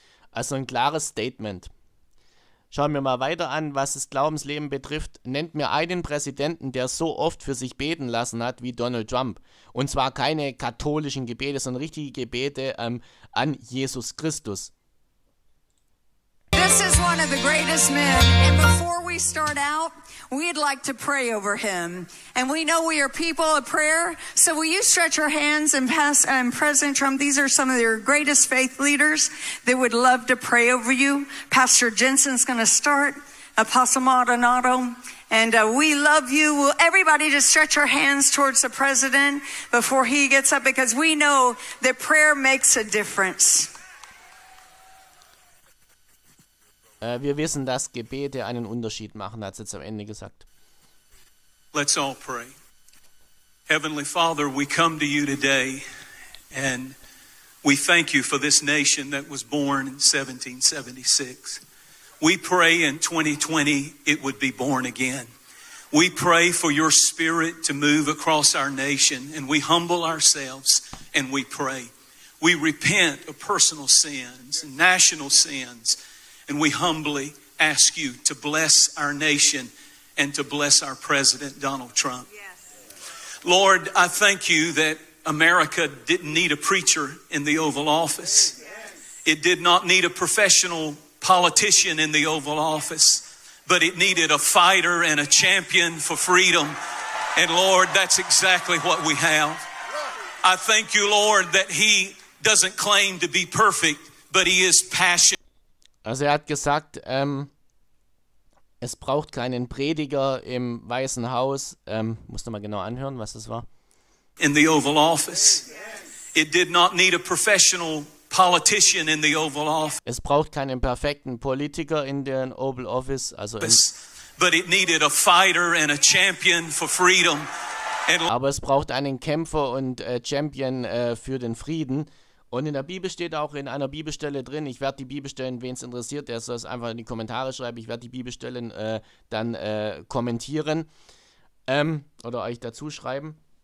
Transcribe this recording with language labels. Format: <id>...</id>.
<de>Also ein klares Statement. Schauen wir mal weiter an, was das Glaubensleben betrifft. Nennt mir einen Präsidenten, der so oft für sich beten lassen hat wie Donald Trump. Und zwar keine katholischen Gebete, sondern richtige Gebete an Jesus Christus.</de> <en>This is one of the greatest men, and before we start out, we'd like to pray over him. And we know we are people of prayer, so will you stretch your hands and pass President Trump, these are some of your greatest faith leaders that would love to pray over you. Pastor Jensen's going to start, Apostle Maldonado, and we love you. Will everybody just stretch your hands towards the president before he gets up, because we know that prayer makes a difference.</en> <de>Wir wissen, dass Gebete einen Unterschied machen, hat sie zum Ende gesagt.</de> <en>Let's all pray. Heavenly Father, we come to you today and we thank you for this nation that was born in 1776. We pray in 2020 it would be born again. We pray for your spirit to move across our nation and we humble ourselves and we pray. We repent of personal sins and national sins. And we humbly ask you to bless our nation and to bless our president, Donald Trump. Yes. Lord, I thank you that America didn't need a preacher in the Oval Office. Yes. It did not need a professional politician in the Oval Office, but it needed a fighter and a champion for freedom. And Lord, that's exactly what we have. I thank you, Lord, that he doesn't claim to be perfect, but he is passionate.</en> <de>Also er hat gesagt, es braucht keinen Prediger im Weißen Haus. Musst du mal genau anhören, was das war.</de> <en>In the Oval Office. It did not need a professional politician in the Oval Office.</en> <de>Es braucht keinen perfekten Politiker in den Oval Office. Also</de> <en>but it needed a fighter and a champion for freedom.</en> <de>Aber es braucht einen Kämpfer und Champion für den Frieden. Und in der Bibel steht auch in einer Bibelstelle drin, ich werde die Bibelstellen, wen es interessiert, der soll es einfach in die Kommentare schreiben, ich werde die Bibelstellen dann kommentieren oder euch dazu schreiben.</de>